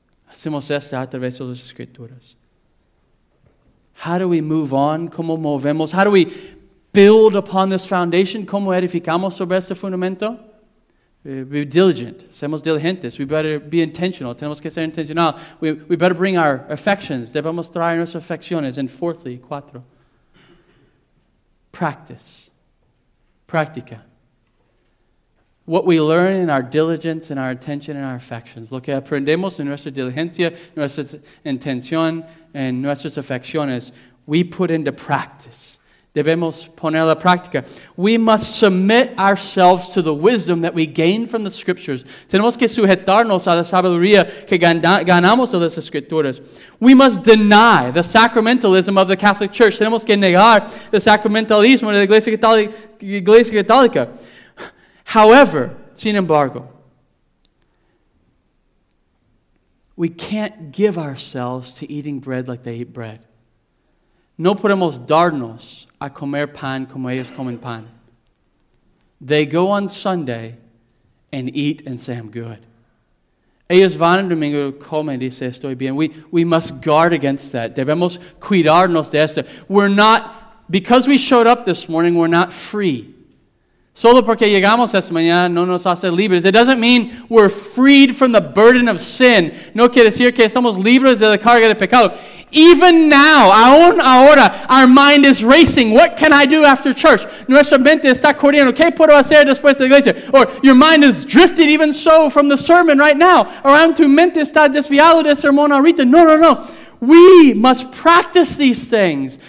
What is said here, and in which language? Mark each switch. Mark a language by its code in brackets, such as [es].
[es] Hacemos esto a través de las Escrituras. [en] How do we move on? [es] ¿Cómo movemos? [en] How do we build upon this foundation? [es] ¿Cómo edificamos sobre este fundamento? [en] Be diligent. [es] Seamos diligentes. [en] We better be intentional. [es] Tenemos que ser intencional. [en] We better bring our affections. [es] Debemos traer nuestras afecciones. [en] And fourthly, [es] cuatro. [en] Practice. [es] Practica. [en] What we learn in our diligence and our attention and our affections. [es] Lo que aprendemos en nuestra diligencia, nuestra intención, and nuestras afecciones, [en] we put into practice. [es] Debemos poner la práctica. [en] We must submit ourselves to the wisdom that we gain from the Scriptures. [es] Tenemos que sujetarnos a la sabiduría que ganamos de las Escrituras. [en] We must deny the sacramentalism of the Catholic Church. [es] Tenemos que negar el sacramentalismo de la Iglesia Católica. [en] However, [es] sin embargo, [en] we can't give ourselves to eating bread like they eat bread. [es] No podemos darnos a comer pan como ellos comen pan. [en] They go on Sunday and eat and say, I'm good. [es] Ellos van el domingo, comen y dicen, estoy bien. [en] We must guard against that. [es] Debemos cuidarnos de esto. [en] We're not, because we showed up this morning, we're not free. [es] Solo porque llegamos esta mañana no nos hace libres. [en] It doesn't mean we're freed from the burden of sin. [es] No quiere decir que estamos libres de la carga de pecado. [en] Even now, [es] aún ahora, [en] our mind is racing. What can I do after church? [es] Nuestra mente está corriendo. ¿Qué puedo hacer después de la iglesia? [en] Or your mind is drifted even so from the sermon right now. [es] Around tu mente está desviado de sermón ahorita. No. [en] We must practice these things.